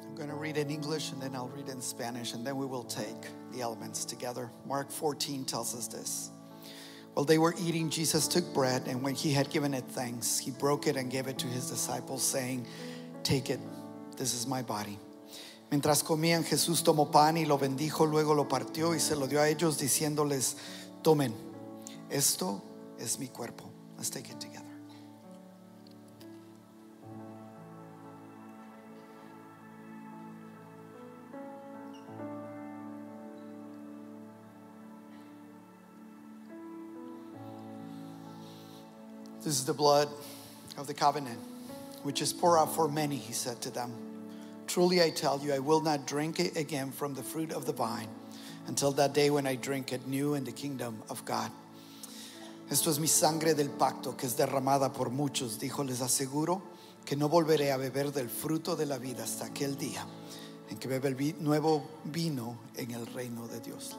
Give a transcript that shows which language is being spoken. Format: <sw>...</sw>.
<en>I'll read in English and then I'll read in Spanish and then we will take the elements together. Mark 14 tells us this. While they were eating, Jesus took bread, and when he had given it thanks, he broke it and gave it to his disciples, saying, "Take it, this is my body."</en> <es>Mientras comían, Jesús tomó pan y lo bendijo, luego lo partió y se lo dio a ellos, diciéndoles, "Tomen, esto es mi cuerpo."</es> <en>Let's take it together. This is the blood of the covenant, which is poured out for many, he said to them. Truly I tell you, I will not drink it again from the fruit of the vine until that day when I drink it new in the kingdom of God.</en> <es>Esto es mi sangre del pacto que es derramada por muchos, dijo, les aseguro que no volveré a beber del fruto de la vida hasta aquel día en que bebe el nuevo vino en el reino de Dios.</es>